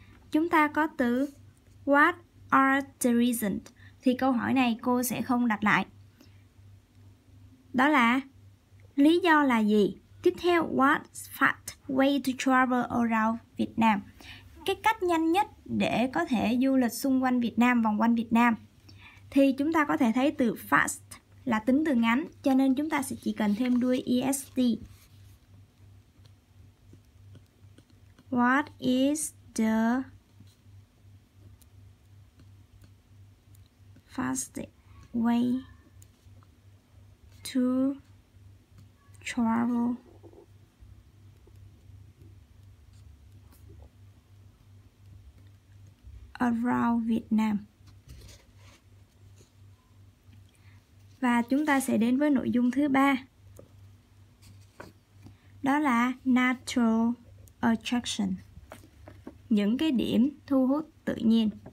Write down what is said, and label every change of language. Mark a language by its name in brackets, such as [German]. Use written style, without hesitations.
[Vietnamese] Chúng ta có từ [English] what are the reasons? [Vietnamese] Thì câu hỏi này cô sẽ không đặt lại. Đó là lý do là gì? Tiếp theo, [English] what fast way to travel around Vietnam? [Vietnamese] Cái cách nhanh nhất để có thể du lịch xung quanh Việt Nam, vòng quanh Việt Nam. Thì chúng ta có thể thấy từ fast là tính từ ngắn, cho nên chúng ta sẽ chỉ cần thêm đuôi est. [English] What is the fastest way to travel around Vietnam? [Vietnamese] Và chúng ta sẽ đến với nội dung thứ ba. Đó là [English] natural attraction. [Vietnamese] Những cái điểm thu hút tự nhiên.